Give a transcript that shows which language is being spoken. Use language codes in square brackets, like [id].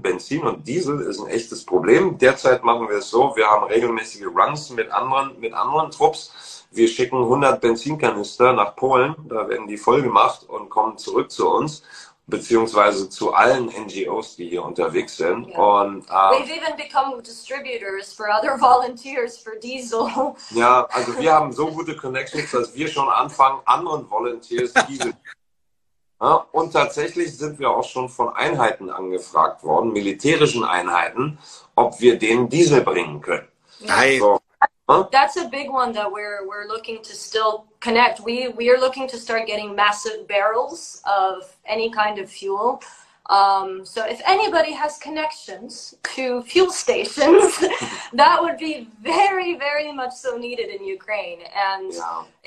[de] Benzin und Diesel ist ein echtes Problem. Derzeit machen wir es so, wir haben regelmäßige Runs mit anderen Trupps. Wir schicken 100 Benzinkanister nach Polen, da werden die vollgemacht und kommen zurück zu uns, beziehungsweise zu allen NGOs, die hier unterwegs sind. Yeah. Und, [en] we've even become distributors for other volunteers for Diesel. [de] Ja, also wir haben so gute Connections, dass wir schon anfangen, anderen Volunteers Diesel. Ja, und tatsächlich sind wir auch schon von Einheiten angefragt worden, militärischen Einheiten, ob wir denen Diesel bringen können. Nein. So. [en] That's a big one that we're looking to still connect. We are looking to start getting massive barrels of any kind of fuel. So if anybody has connections to fuel stations, that would be very, very much so needed in Ukraine. And yeah.